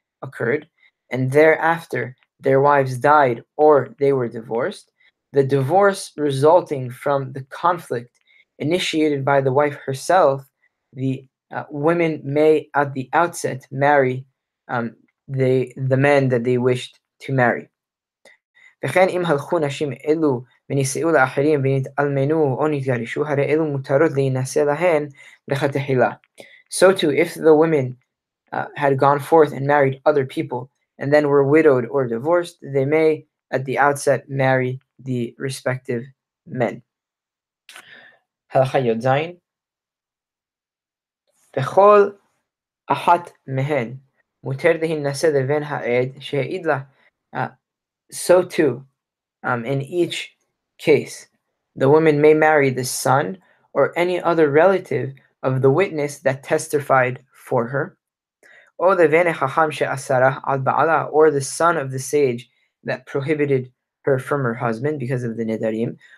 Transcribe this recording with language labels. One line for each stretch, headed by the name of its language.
English: occurred, and thereafter their wives died or they were divorced, the divorce resulting from the conflict initiated by the wife herself, the women may at the outset marry the men that they wished to marry.
Hebrew: וכן אם הלכו נשים אלו ונישאו לאחרים ונתאלמנו או נתגרשו, הרי אלו מותרות להינשא להן לכתחילה.
English: So too, if the women had gone forth and married other people and then were widowed or divorced, they may at the outset marry the respective men.
Hebrew: הלכה י"ז. בכל אחת מהן מותר להינשא לבן העד שהעיד לה.
English: So too, in each case, the woman may marry the son or any other relative of the witness that testified for her.
Hebrew: O the vene chacham she'asara al ba'ala,
English: or the son of the sage that prohibited her from her husband because of the nedarim.